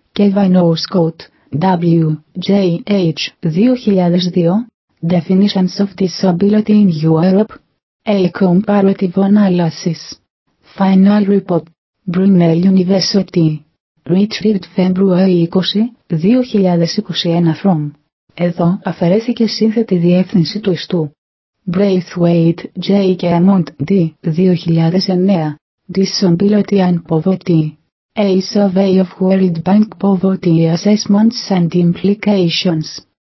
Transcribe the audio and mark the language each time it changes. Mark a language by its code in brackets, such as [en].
[en] Kevinow Scott, W. J. H. 2002. Definitions of Disability in Europe. A Comparative Analysis. Final Report. Brunel University. Retrieved February 20, 2021 from. [el] Εδώ αφαιρέθηκε σύνθετη διεύθυνση του ιστού. [en] Braithwaite, J. Kemont, D. 2009. Disability and Poverty. A Survey of World Bank Poverty Assessments and Implications.